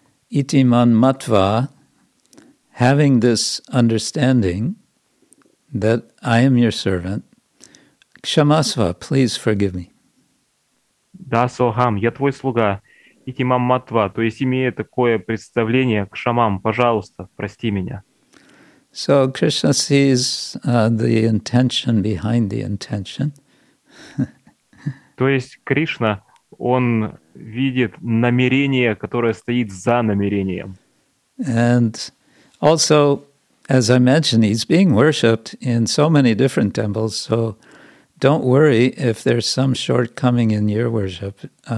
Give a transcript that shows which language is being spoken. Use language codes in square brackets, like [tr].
[sa] Итиман матва, [en] having this understanding that I am your servant, [sa] Кшамасва, [en] please forgive me. [sa] Да, Сохам, [ru] я твой слуга. [sa] Итимам матва, [ru] то есть имея такое представление, [sa] Кшамам, [ru] пожалуйста, прости меня. [en] So Krishna sees the intention behind the intention. [ru] То есть Кришна, он видит намерение, которое стоит за намерением. [en] And also, as I mentioned, he's being worshipped in so many different temples, so don't worry if there's some shortcoming in your worship.